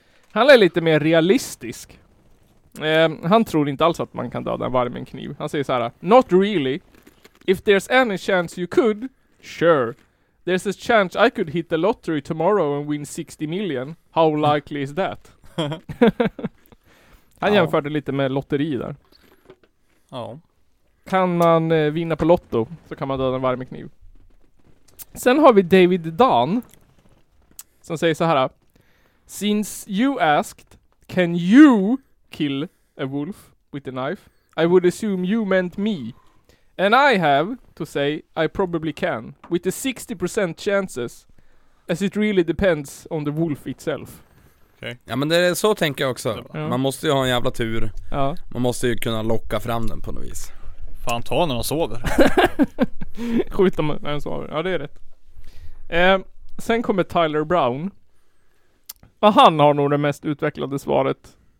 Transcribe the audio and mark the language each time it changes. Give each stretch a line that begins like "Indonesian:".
Swedish: Han är lite mer realistisk. Han tror inte alls att man kan döda en varg med en kniv. Han säger så här:
English: not really. If there's any chance you could, sure. There's a chance I could hit the lottery tomorrow and win 60 million. How likely is that?
Swedish: Han jämförde lite med lotteri där. Ja. Kan man vinna på lotto så kan man döda en varg med kniv. Sen har vi David Dunn som säger så här:
English: since you asked, can you kill a wolf with a knife? I would assume you meant me. And I have to say I probably can with the 60% chances, as it really depends on the wolf itself. Okay.
Swedish: Ja, men det är så tänker jag också. Man måste ju ha en jävla tur. Ja. Man måste ju kunna locka fram den på något vis. Fan, ta när man sover. Skjuta när man sover. Ja, det är rätt. Sen kommer Tyler Brown. Och han har nog det mest utvecklade svaret.